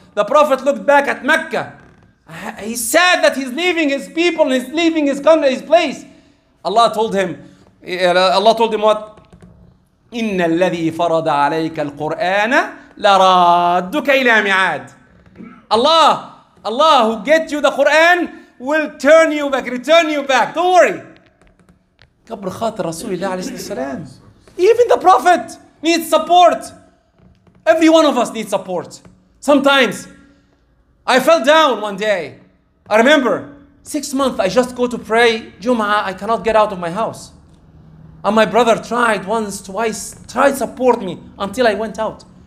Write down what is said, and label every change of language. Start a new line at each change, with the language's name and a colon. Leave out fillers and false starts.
English: The Prophet looked back at Mecca. He said that he's leaving his people, he's leaving his country, his place. Allah told him what?
Arabic: إِنَّ الَّذِي فَرَضَ عَلَيْكَ الْقُرْآنَ لَرَادُّكَ إِلَى مِعَادٍ.
English: Allah who get you the Quran will turn you back, return you back. Don't worry.
Arabic: قبر خاطر رسول الله عليه السلام.
English: Even the Prophet needs support. Every one of us needs support. Sometimes, I fell down one day. I remember, 6 months I just go to pray, Jum'ah, I cannot get out of my house. And my brother tried once, twice, tried to support me until I went out.